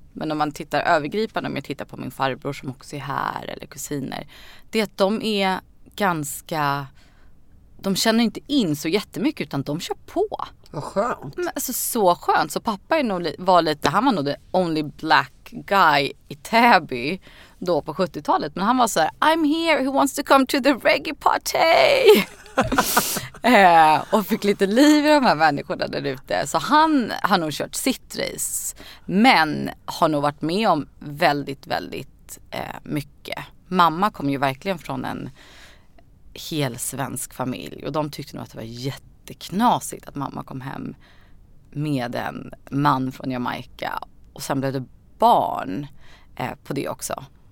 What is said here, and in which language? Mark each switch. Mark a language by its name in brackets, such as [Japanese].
[Swedish] Men om man tittar övergripande, om jag tittar på min farbror som också är här, eller kusiner, det är att de är ganska, de känner inte in så jättemycket, utan de kör på. Vad skönt. Men alltså, så skönt. Så pappa är nog han var nog [English] the only black guy [Swedish] i Täby då på 70-talet. Men han var så här: [English] I'm here, who wants to come to the reggae party? [Swedish] och fick lite liv i de här människorna där ute. Så han har nog kört sitt race, men har nog varit med om väldigt, väldigt mycket. Mamma kom ju verkligen från en hel svensk familj, och de tyckte nog att det var jätteknasigt att mamma kom hem med en man från Jamaica, och sen blev det barn på det också.